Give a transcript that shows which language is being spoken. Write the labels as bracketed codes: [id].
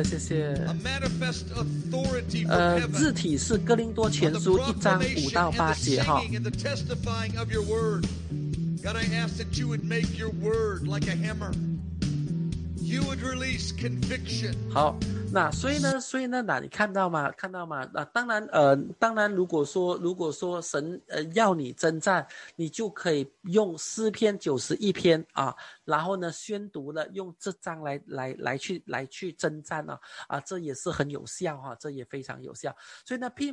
[en] a manifest authority from [zh] heaven, 字体是哥林多前书一章五到八节 [en] and the testifying of your word. God, I ask that you would make your word like a hammer. You would release conviction. [zh] 好，那所以呢，那你看到吗？那当然，如果说神要你征战，你就可以用诗篇九十一篇啊，然后呢宣读了，用这章来去征战啊，这也是很有效哈、啊，这也非常有效。所以呢，P.